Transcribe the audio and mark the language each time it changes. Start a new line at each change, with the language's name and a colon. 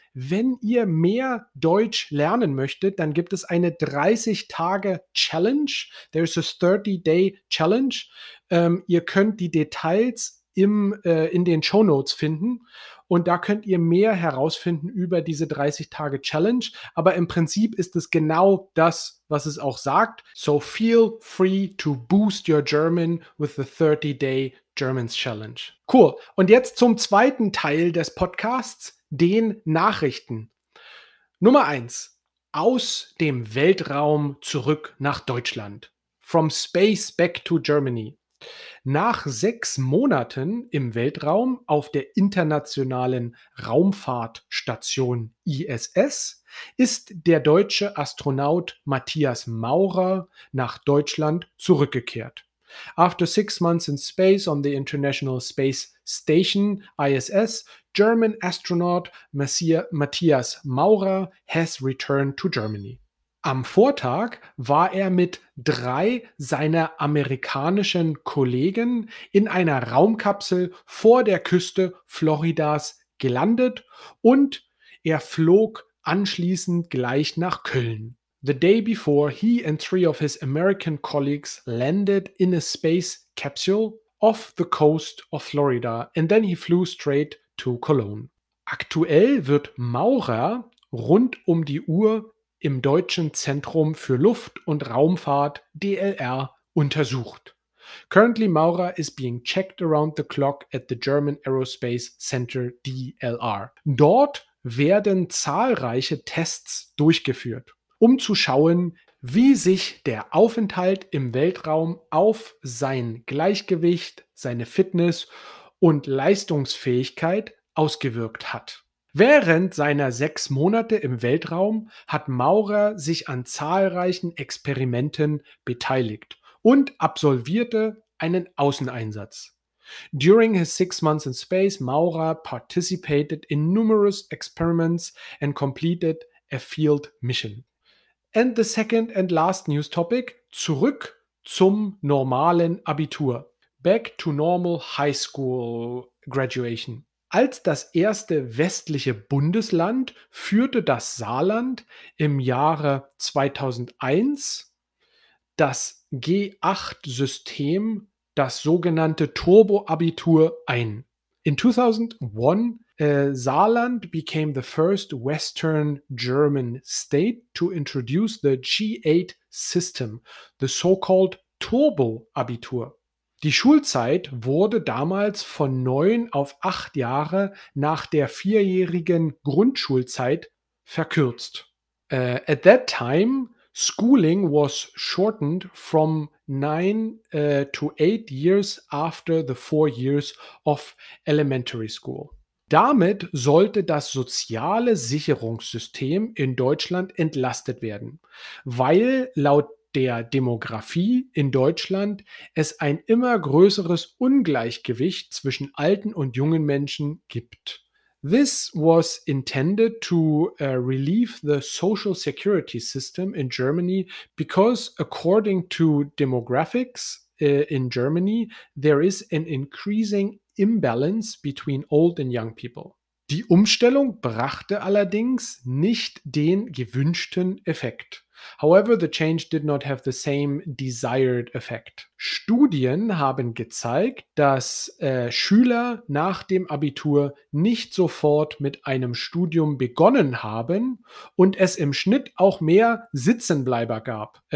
German: Wenn ihr mehr Deutsch lernen möchtet, dann gibt es eine 30-Tage-Challenge.
English: There is a 30-Day-Challenge.
German: Ihr könnt die Details in den Shownotes finden und da könnt ihr mehr herausfinden über diese 30-Tage-Challenge. Aber im Prinzip ist es genau das, was es auch sagt.
English: So feel free to boost your German with the 30-Day-Germans-Challenge. Cool.
German: Und jetzt zum zweiten Teil des Podcasts, den Nachrichten. Nummer 1. Aus dem Weltraum zurück nach Deutschland.
English: From space back to Germany.
German: Nach 6 Monaten im Weltraum auf der internationalen Raumfahrtstation ISS ist der deutsche Astronaut Matthias Maurer nach Deutschland zurückgekehrt.
English: After 6 months in space on the International Space Station ISS, German astronaut Matthias Maurer has returned to Germany.
German: Am Vortag war er mit 3 seiner amerikanischen Kollegen in einer Raumkapsel vor der Küste Floridas gelandet und er flog anschließend gleich nach Köln.
English: The day before, he and 3 of his American colleagues landed in a space capsule off the coast of Florida and then he flew straight to Cologne.
German: Aktuell wird Maurer rund um die Uhr im Deutschen Zentrum für Luft- und Raumfahrt, DLR, untersucht.
English: Currently, Maurer is being checked around the clock at the German Aerospace Center, DLR.
German: Dort werden zahlreiche Tests durchgeführt, um zu schauen, wie sich der Aufenthalt im Weltraum auf sein Gleichgewicht, seine Fitness und Leistungsfähigkeit ausgewirkt hat. Während seiner 6 Monate im Weltraum hat Maurer sich an zahlreichen Experimenten beteiligt und absolvierte einen Außeneinsatz.
English: During his 6 months in space, Maurer participated in numerous experiments and completed a field mission. And the second and last news topic,
German: zurück zum normalen Abitur.
English: Back to normal high school graduation.
German: Als das erste westliche Bundesland führte das Saarland im Jahre 2001 das G8-System, das sogenannte Turbo-Abitur, ein.
English: In 2001, Saarland became the first Western German state to introduce the G8-System, the so-called Turbo-Abitur.
German: Die Schulzeit wurde damals von 9 auf 8 Jahre nach der 4-jährigen Grundschulzeit verkürzt.
English: At that time, schooling was shortened from 9 to 8 years after the 4 years of elementary school.
German: Damit sollte das soziale Sicherungssystem in Deutschland entlastet werden, weil laut der Demografie in Deutschland es ein immer größeres Ungleichgewicht zwischen alten und jungen Menschen gibt.
English: This was intended to relieve the social security system in Germany because according to demographics in Germany there is an increasing imbalance between old and young people.
German: Die Umstellung brachte allerdings nicht den gewünschten Effekt.
English: However, the change did not have the same desired effect.
German: Studien haben gezeigt, dass Schüler nach dem Abitur nicht sofort mit einem Studium begonnen haben und es im Schnitt auch mehr Sitzenbleiber gab.